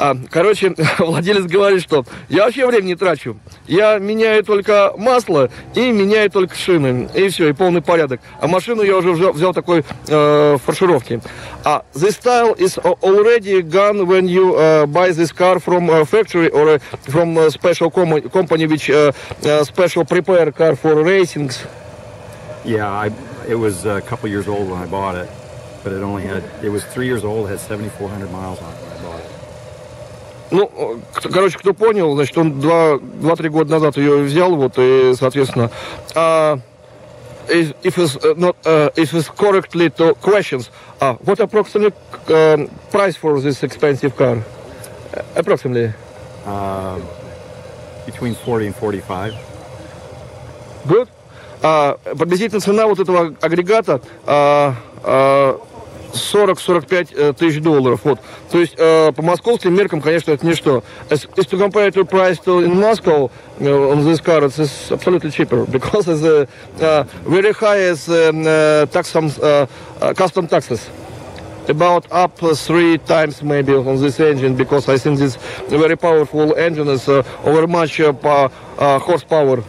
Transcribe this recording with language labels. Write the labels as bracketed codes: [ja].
[ru] Короче, владелец говорит, что я вообще время не трачу. Я меняю только масло и меняю только шины. И все, и полный порядок. А машину я уже взял такой фаршировки. [en] The style is already gone when you buy this car from a factory or from a special company which special prepare car for racings. Yeah, it was a couple years old when I bought it. But it only had, it was 3 years old, it had 7,400 miles on it when I bought it. [ru] Ну, короче, кто понял, значит, он 2-3 года назад ее взял, вот, и, соответственно, [en] if it's correctly to questions, what approximately price for this expensive car? Approximately? Between 40 and 45. Good. [ru] Приблизительно цена вот этого агрегата, 40-45 тысяч долларов, вот. То есть по московским меркам, конечно, это ничто. [en] If to compare to price to in Moscow on this car, it's absolutely cheaper because it's very high as custom taxes. About up 3 times maybe on this engine because I think this very powerful engine is overmatch horsepower.